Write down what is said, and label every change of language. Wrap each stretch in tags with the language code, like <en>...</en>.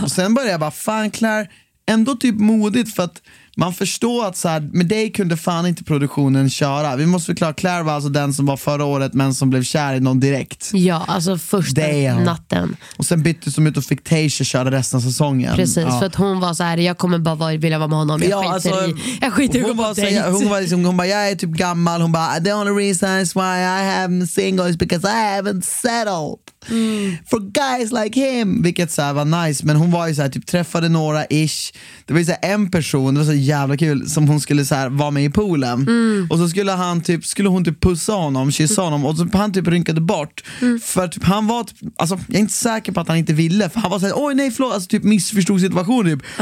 <sv>Och sen började jag bara, fan Claire, ändå typ modigt, för att man förstår att så här, med dig kunde fan inte produktionen köra. Vi måste förklara, Claire var alltså den som var förra året men som blev kär i någon direkt. Ja, alltså första natten. Och sen bytte som ut och fick Tayshia köra resten av säsongen. Precis, för att hon var så här, jag kommer bara vilja vara med honom. Jag skiter i, hon bara, jag är typ gammal. Hon bara,</sv> <en>the only reason is why I haven't single is because I haven't settled. For guys like him.</en> <sv>Vilket så här var nice. Men hon var ju så här, typ träffade några ish. Det var ju så här, en person, det var så jävla kul, som hon skulle så här, vara med i poolen. Och så skulle hon typ pussa honom, kyssa honom. Och så han typ rynkade bort. För typ han var typ, alltså jag är inte säker på att han inte ville, för han var så här, oj nej förlåt, alltså typ missförstod situationen typ.</sv>